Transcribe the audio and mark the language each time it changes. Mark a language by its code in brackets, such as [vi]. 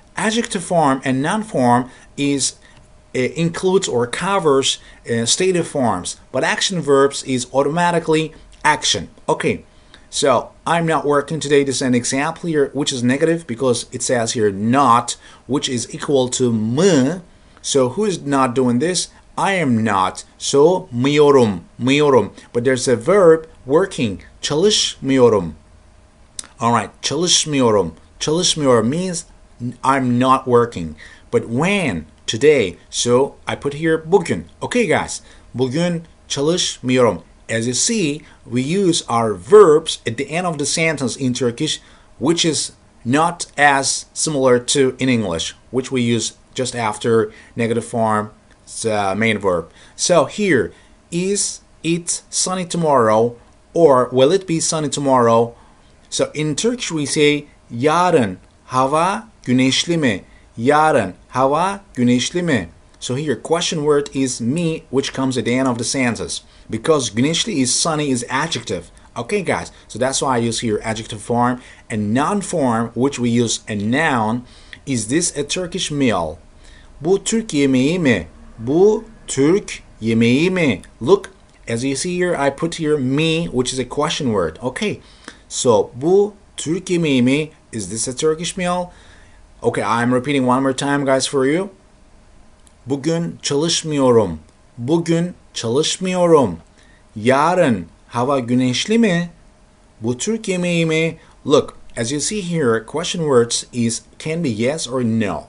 [en] Adjective form and noun form includes or covers stative forms, but action verbs is automatically action. Okay, so I'm not working today. This is an example here, which is negative because it says here not, which is equal to mı. So who is not doing this? I am not. So miyorum, miyorum. But there's a verb working, çalışmıyorum. All right, çalışmıyorum. Çalışmıyorum means I'm not working. But when? Today. So I put here bugün. Okay, guys. [tr] Bugün çalışmıyorum. [en] As you see, we use our verbs at the end of the sentence in Turkish, which is not as similar to in English, which we use just after negative form, main verb. So here, is it sunny tomorrow or will it be sunny tomorrow? So in Turkish, we say [tr] yarın hava güneşli mi? Yarın hava güneşli mi? [en] So here, question word is mi, which comes at the end of the sentence. Because güneşli is sunny is adjective. Okay, guys, so that's why I use here adjective form. And noun form, which we use a noun, is this a Turkish meal? [tr] Bu Türk yemeği mi? Bu Türk yemeği mi? [en] Look, as you see here, I put here mi, which is a question word. [tr] Okay, so bu Türk yemeği mi? [en] Is this a Turkish meal? Okay, I'm repeating one more time, guys, for you. [tr] Bugün çalışmıyorum. Bugün çalışmıyorum. Yarın hava güneşli mi? Bu Türk yemeği mi? [en] Look, as you see here, question words is can be yes or no.